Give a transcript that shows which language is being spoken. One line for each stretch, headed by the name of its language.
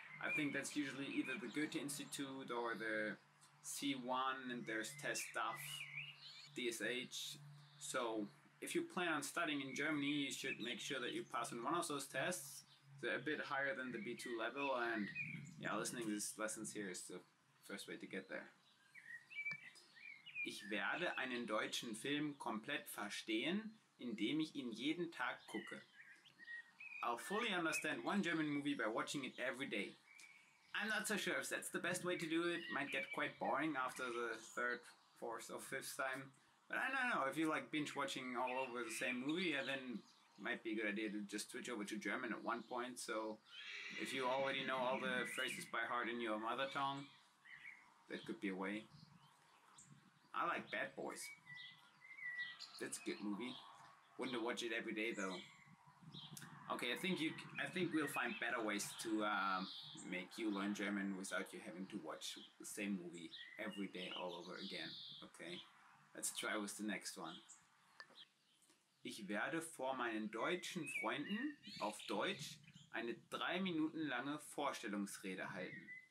English: I think that's usually either the Goethe Institute or the C1, and there's test stuff, DSH. So if you plan on studying in Germany, you should make sure that you pass in one of those tests. A bit higher than the B2 level, and yeah, listening to these lessons here is the first way to get there.
German: Ich werde einen deutschen Film komplett verstehen, indem ich ihn jeden Tag gucke.
English: I'll fully understand one German movie by watching it every day. I'm not so sure if that's the best way to do it. Might get quite boring after the third, fourth, or fifth time. But I don't know, if you like binge watching all over the same movie, yeah, then might be a good idea to just switch over to German at one point. So if you already know all the phrases by heart in your mother tongue, that could be a way. I like Bad Boys. That's a good movie. Wouldn't watch it every day though. Okay, I think we'll find better ways to make you learn German without you having to watch the same movie every day all over again. Okay, let's try with the next one.
German: Ich werde vor meinen deutschen Freunden auf Deutsch eine 3 Minuten lange Vorstellungsrede halten.